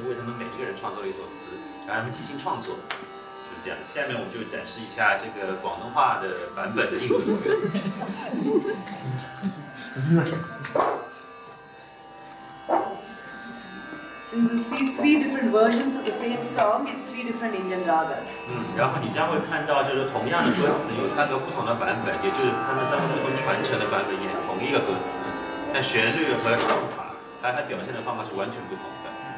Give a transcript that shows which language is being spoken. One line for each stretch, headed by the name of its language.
Chinese: 然后呢这三位呢今天会用广东话然后来演唱印度传统音乐因为他们就是蔡介教授一个非常好的朋友叫乔玉范不知道中文叫什么反正他们的广东话也不大会讲然后就是非常有名的一个词人然后呢他就给他的一首他的词然后呢让他们几个即兴唱后来没想到效果还挺惊人的后来就是专门为他们就是创作了这个词这回我们在香港就是为他们每一个人创作了一首词然后他们即兴创作
English: You will see three different versions of the same song in three different Indian ragas.
Chinese: 然后你将会看到就是同样的歌词有三个不同的版本，也就是他们三个不同传承的版本，也同一个歌词，但旋律和唱法，还有它表现的方法是完全不同的。